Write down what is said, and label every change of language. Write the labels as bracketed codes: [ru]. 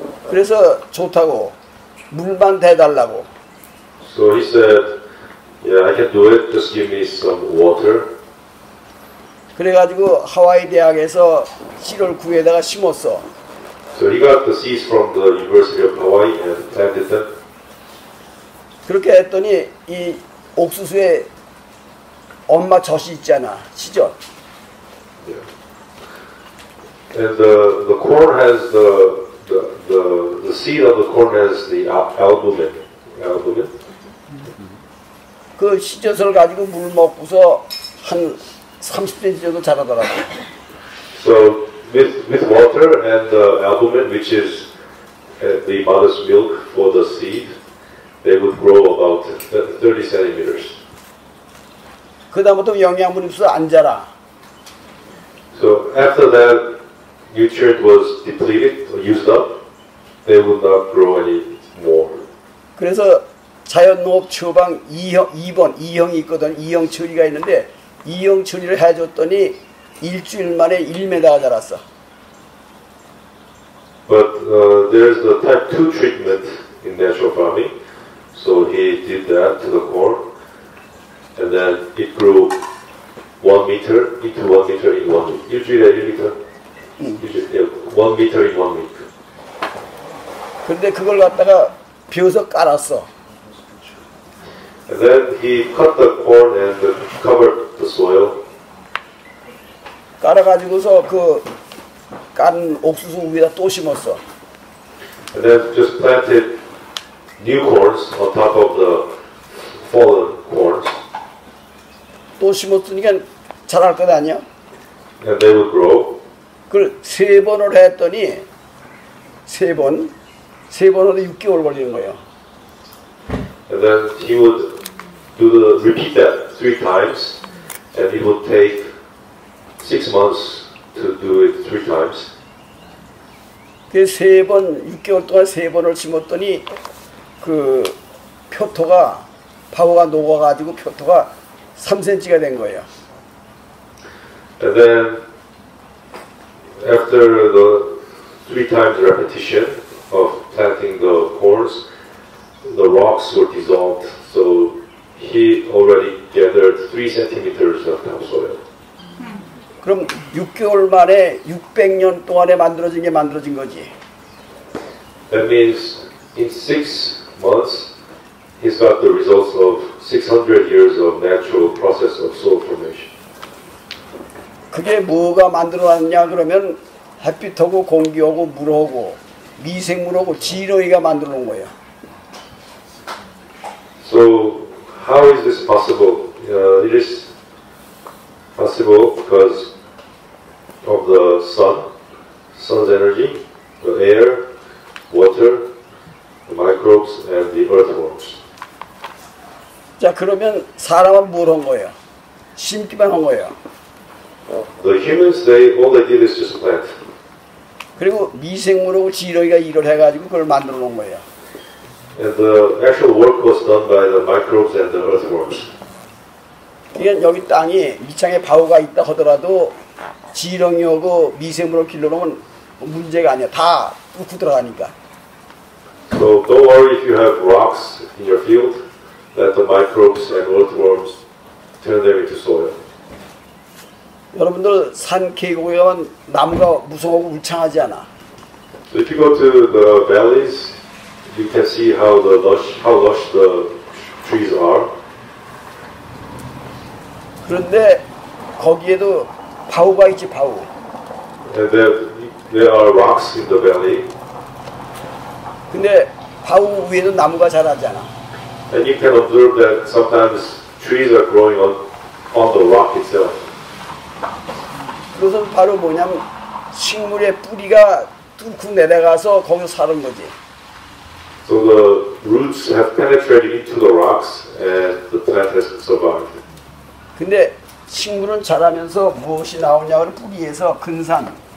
[ko] 그래서 좋다고 물만 대달라고. [en] So he said, "Yeah, I can do it. Just give me some water." [ko] 그래가지고 하와이 대학에서 씨를 구해다가 심었어. [en] So he got the seeds from the University of Hawaii and planted them. [ko] 그렇게 했더니 이 옥수수에 엄마 젖이 있잖아, 시젖. [en] Yeah. And the corn has the seed of the corn has the albumin. [ko] 그 시젖을 가지고 물 먹고서 한 30cm 정도 자라더라고. [en] So with water and the albumin, which is the mother's milk for the seed, they would grow about 30 centimeters. [ko] 그다음부터 영양분 없어 안 자라. [en] So after that, nutrient was depleted or used up, they would not grow any more. [ko] 그래서 자연농업 처방 2형, 2번 2형이 있거든. 2형 처리가 있는데 2형 처리를 해줬더니 일주일 만에 1m가 자랐어. [en] But there's the type 2 treatment in natural farming. So he did that to the corn. And then it grew 1 meter into 1 meter in 1 week. Usually a millimeter. Usually 1 meter in 1 week. [ko] 근데 그걸 갖다가 비워서 깔았어. [en] And then he cut the corn and covered the soil. [ko] 깔아가지고서 그 깐 옥수수 위에다 또 심었어. [en] And then just planted new corns on top of the fallen corns. [ko] 또 심었으니까 자랄 것 아니야? [en] And they would grow. [ko] 그걸 세 번을 했더니 세 번, 세 번으로 6개월 걸리는 거예요. [en] And then he would do the repeat that 3 times, and it would take 6 months to do it 3 times. [ko] 그 세 번, 6개월 동안 세 번을 심었더니 그 표토가 파워가 녹아가지고 표토가 3cm가 된 거예요. [en] And then after the 3 times repetition of planting the corns, the rocks were dissolved, so he already gathered 3 centimeters of topsoil. [ko] 그럼 6개월 만에 600년 동안에 만들어진 게 만들어진 거지. [en] That means in 6 months, he's got the results of 600 years of natural process of soil formation. [ko] 그게 뭐가 만들어졌냐 그러면 햇빛하고 공기하고 물하고 미생물하고 지렁이가 만들어놓은 거야. [en] So how is this possible? It is possible because of the sun, sun's energy, the air, water, the microbes, and the earthworms. [ko] 자 그러면 사람은 뭘 한 거예요? 심기만 한 거예요. [en] The humans, they all they did is just plant. [ko] 그리고 미생물하고 지렁이가 일을 해가지고 그걸 만들어 놓은 거예요. [en] And the actual work was done by the microbes and the earthworms. [ko] 이건 여기 땅이 밑창에 바우가 있다 하더라도 지렁이하고 미생물을 길러놓으면 문제가 아니야. 다 뚫고 들어가니까. [en] So don't worry if you have rocks in your field, let the microbes and earthworms turn them into soil. [ko] 여러분들 산 계곡에 가면 나무가 무성하고 울창하지 않아? [en] So if you go to the valleys, you can see how the lush, how lush the trees are. [ko] 그런데 거기에도 바우가 있지, 바우. [en] And there are rocks in the valley. [ko] 근데 바우 위에도 나무가 자라잖아. [en] And you can observe that sometimes trees are growing on the rock itself. [ko] 그것은 바로 뭐냐면 식물의 뿌리가 뚫고 내려가서 거기서 사는 거지. [en] So the roots have penetrated into the rocks and the plant has survived. [ko] 근데 식물은 자라면서 무엇이 나오냐고 뿌리에서 근산.